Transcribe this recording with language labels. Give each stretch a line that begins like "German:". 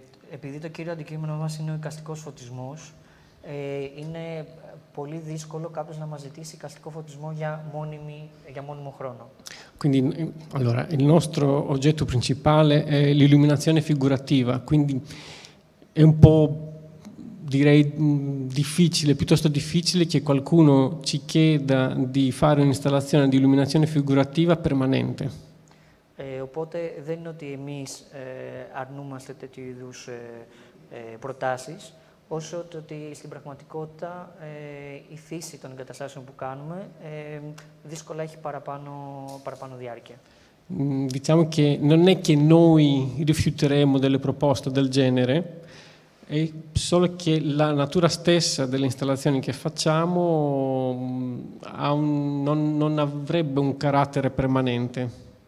Greek: Επειδή το κύριο αντικείμενο μας είναι ο οικαστικός φωτισμός, είναι πολύ δύσκολο κάποιος να μας ζητήσει οικαστικό φωτισμό για μόνιμο χρόνο.
Italian: Quindi, allora, il nostro oggetto principale è l'illuminazione figurativa, quindi è un po', direi, difficile, piuttosto difficile che qualcuno ci chieda di fare un'installazione di illuminazione figurativa permanente.
Greek: Οπότε δεν είναι ότι εμείς αρνούμαστε τέτοιου είδους προτάσεις, όσο ότι στην πραγματικότητα η φύση των εγκαταστάσεων που κάνουμε δύσκολα έχει παραπάνω διάρκεια.
Italian: Diciamo che non è che noi rifiuteremo delle proposte del genere, è solo che la natura stessa delle installazioni che facciamo non avrebbe un carattere permanente.